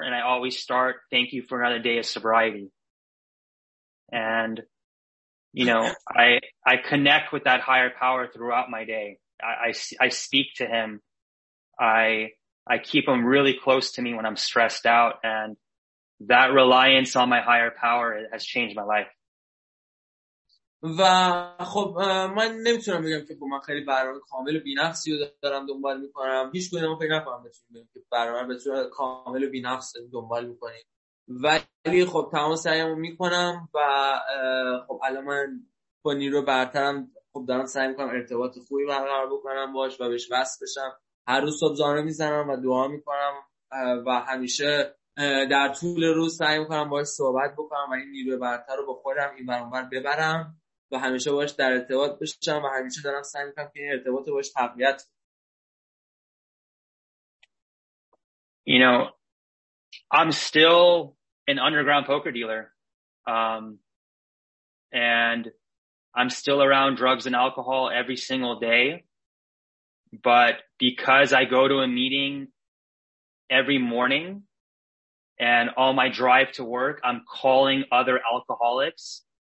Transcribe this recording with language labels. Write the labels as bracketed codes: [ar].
[en] And I always start, thank you for another day of sobriety. And, you know, I connect with that higher power throughout my day. I speak to him. I keep him really close to me when I'm stressed out. And that reliance on my higher power has changed my life. [fa] و خب من نمیتونم بگم که من خیلی برنامه کامل و بی‌نقصی رو دارم دنبال میکنم. هیچ کدوم فکر نکنم بتونیم بگم که برنامه به صورت کامل و بی‌نقص دنبال میکنیم. ولی خب تمام سعیمو میکنم و خب الان من با نیرو برترم، خب دارم سعی میکنم ارتباط خوبی برقرار بکنم باش و بهش وصل بشم. هر روز صبح زانو میزنم و دعا میکنم و همیشه در طول روز سعی میکنم باش صحبت بکنم و این نیرو برتر رو با خودم این برانور ببرم و همیشه باش در ارتباط بشم و همیشه دارم سعی میکنم که این ارتباط رو باش تقویت. [en] You know, I'm still an underground poker dealer. And I'm still around drugs and alcohol every single day. But because I go to a meeting every morning and all my drive to work, I'm calling other alcoholics.